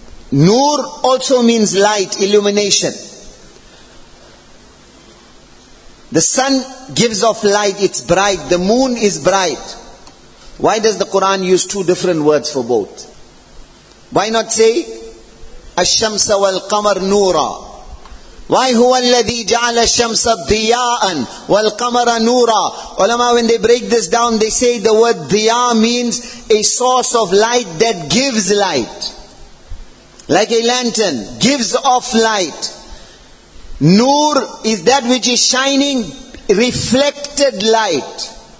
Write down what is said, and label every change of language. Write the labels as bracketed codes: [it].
[en] نور also means light, illumination. The sun gives off light, it's bright. The moon is bright. Why does the Quran use 2 different words for both? Why not say [ar] الشمس والقمر نورا? [en] Why [ar] هو الذي جعل الشمس ضياء والقمر نورا? [en] Ulama, when they break this down, they say the word ضياء means a source of light that gives light. Like a lantern, gives off light. Nur is that which is shining, reflected light.